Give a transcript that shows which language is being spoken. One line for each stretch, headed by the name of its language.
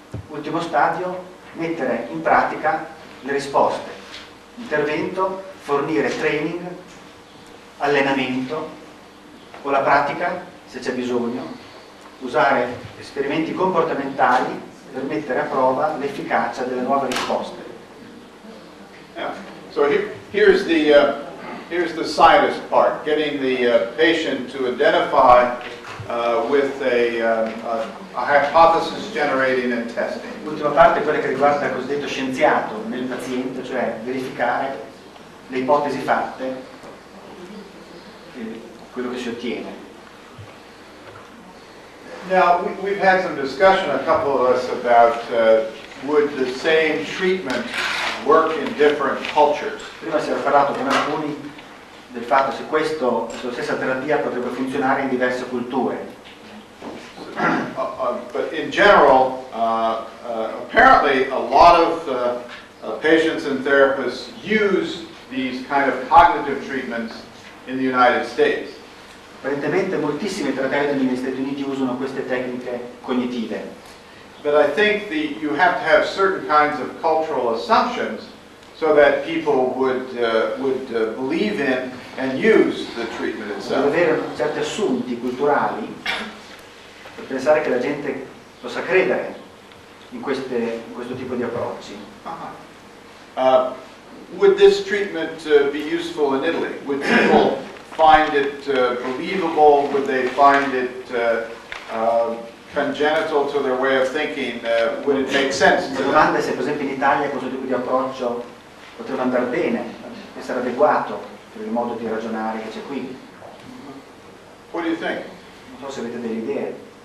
Italian: Ultimo stadio, mettere in pratica le risposte, intervento, fornire training, allenamento o la pratica se c'è bisogno, usare esperimenti comportamentali per mettere a prova l'efficacia delle nuove risposte.
English: Yeah. So here's the sinus part, getting the patient to identify with a hypothesis generating and testing.
Italian: L'ultima parte è quella che riguarda il cosiddetto scienziato nel paziente, cioè verificare le ipotesi fatte e quello che si ottiene.
English: Now, we've had some discussion, a couple of us, about would the same treatment work in different cultures?
Italian: Prima si era parlato con alcuni del fatto se questo, se la stessa terapia potrebbe funzionare in diverse culture.
English: But in general, apparently a lot of patients and therapists use these kind of cognitive treatments in the United States.
Italian: Apparentemente moltissimi terapeuti negli Stati Uniti usano queste tecniche cognitive.
English: But I think the you have to have certain kinds of cultural assumptions so that people would believe in and use the treatment itself.
Italian: Deve avere certi assunti culturali per pensare che la gente possa credere in queste in questo tipo di approcci.
English: Would this treatment be useful in Italy? Would people find it believable? Would they find it congenital to their way of thinking? Would it make sense?
Italian: La domanda è se, per esempio, in Italia questo tipo di approccio potrebbe andare bene, essere adeguato per il modo di ragionare che c'è qui.
English: What do you think?
Italian: Non so se avete delle idee.